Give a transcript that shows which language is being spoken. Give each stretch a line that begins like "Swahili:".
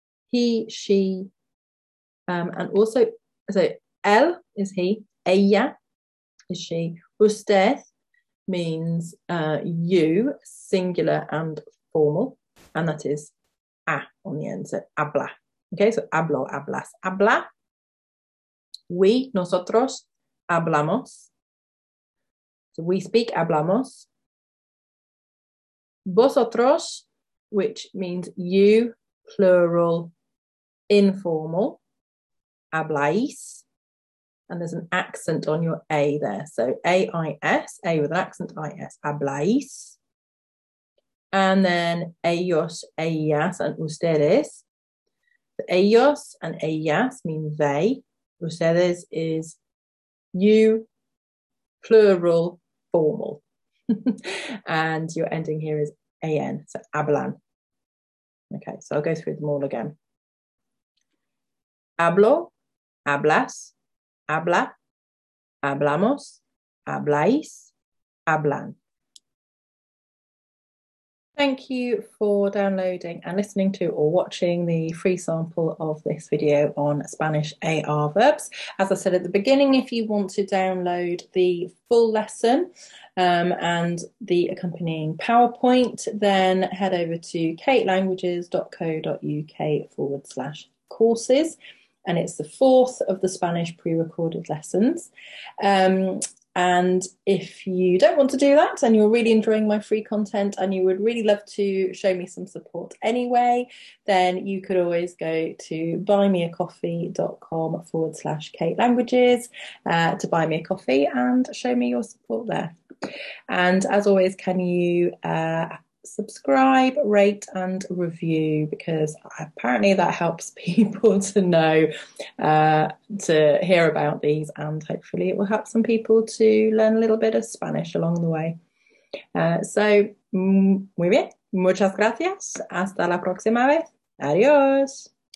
English: He, she, and also, so él is he, ella is she. Usted means you, singular and formal, and that is a on the end, so habla. Okay, so hablo, hablas, habla. We, nosotros, hablamos. So we speak, hablamos. Vosotros, which means you, plural. Informal, habláis, and there's an accent on your A there. So A-I-S, A with an accent, I-S, habláis. And then ellos, ellas, and ustedes. So ellos and ellas mean they. Ustedes is you, plural, formal. And your ending here is A-N, so hablan. Okay, so I'll go through them all again.
Spanish: hablo, hablas, habla, hablamos, habláis, hablan.
English: Thank you for downloading and listening to or watching the free sample of this video on Spanish AR verbs. As I said at the beginning, if you want to download the full lesson and the accompanying PowerPoint, then head over to katelanguages.co.uk/courses, and it's the fourth of the Spanish pre-recorded lessons. And if you don't want to do that and you're really enjoying my free content and you would really love to show me some support anyway, then you could always go to buymeacoffee.com/katelanguages to buy me a coffee and show me your support there. And as always, can you subscribe, rate and review, because apparently that helps people to know to hear about these, and hopefully it will help some people to learn a little bit of Spanish along the way.
Spanish: So muy bien, muchas gracias, hasta la próxima vez, adiós.